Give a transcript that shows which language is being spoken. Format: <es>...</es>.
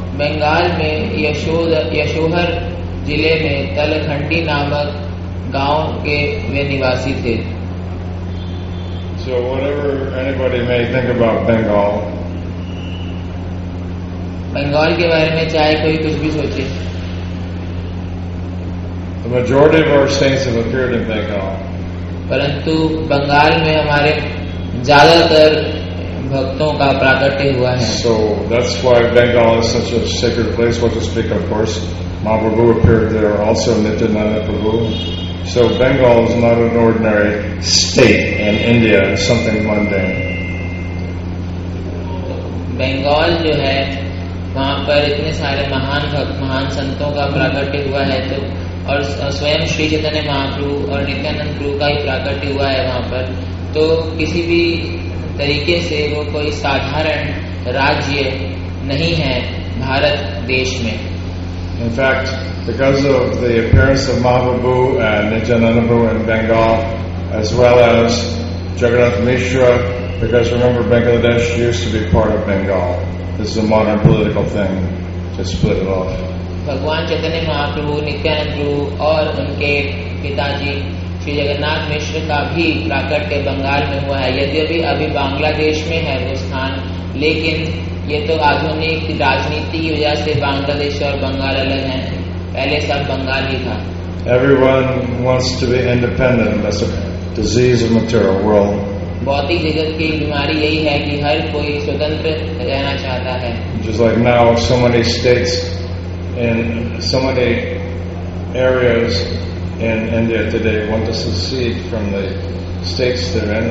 <hi>बंगाल में यशोहर जिले में तलखंडी नामक गांव के वे निवासी थे.</hi> <en>So whatever anybody may think about Bengal,</en> <hi>Bengal के बारे में चाहे कोई कुछ भी सोचे,</hi> <en>the majority of our saints have appeared in Bengal.</en> <hi>परंतु बंगाल में हमारे ज्यादातर भक्तों का प्राकट्य हुआ है.</hi> <en>So that's why Bengal is such a sacred place, so to speak. Of course, Mahaprabhu appeared there also, Nityananda Prabhu. So Bengal is not an ordinary state in India, it's something mundane.</en> <hi>Bengal जो है वहां पर इतने सारे महान भक्त महान संतों का प्राकट्य हुआ है तो और स्वयं श्री चैतन्य महाप्रभु और नित्यानंद प्रभु का ही प्राकट्य हुआ है वहां पर, तो किसी भी तरीके से वो कोई साधारण राज्य नहीं है भारत देश में.</hi> <en>In fact, because of the appearance of Mahaprabhu and Nityananda Prabhu in Bengal, as well as Jagannath Mishra, because remember Bangladesh used to be part of Bengal. This is a modern political thing to split it off.</en> <hi>भगवान चैतन्य महाप्रभु नित्यानंद प्रभु और उनके पिताजी श्री जगन्नाथ मिश्र का भी प्राकट्य बंगाल में हुआ है. यद्यपि अभी बांग्लादेश में है वो स्थान, लेकिन ये तो आधुनिक राजनीति की वजह से बांग्लादेश और बंगाल अलग है. पहले सब बंगाल ही था.</hi> <en>Everyone wants to be independent. That's a disease of material world.</en> <hi>भौतिक जगत की बीमारी यही है कि हर कोई स्वतंत्र रहना चाहता है.</hi> <en>Just like now, so many states in so many areas in India today want to secede from the states they're in.</en>